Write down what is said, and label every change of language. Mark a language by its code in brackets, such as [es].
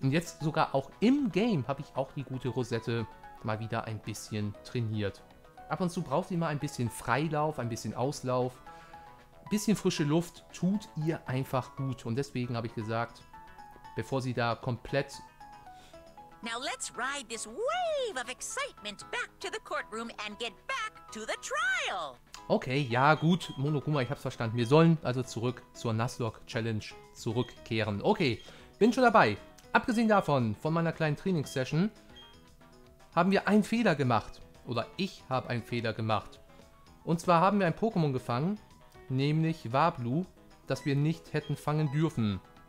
[de] Und jetzt sogar auch im Game habe ich auch die gute Rosette mal wieder ein bisschen trainiert. Ab und zu braucht ihr mal ein bisschen Freilauf, ein bisschen Auslauf. Ein bisschen frische Luft tut ihr einfach gut. Und deswegen habe ich gesagt, bevor sie da komplett... [en] Now let's ride this wave of excitement back to the courtroom and get back to the trial. [de] Okay, ja gut, Monokuma, ich hab's verstanden. Wir sollen also zurück zur Nuzlocke Challenge zurückkehren. Okay, bin schon dabei. Abgesehen davon, von meiner kleinen Trainingssession, haben wir einen Fehler gemacht. Oder ich habe einen Fehler gemacht. Und zwar haben wir ein Pokémon gefangen, nämlich Wablu, das wir nicht hätten fangen dürfen.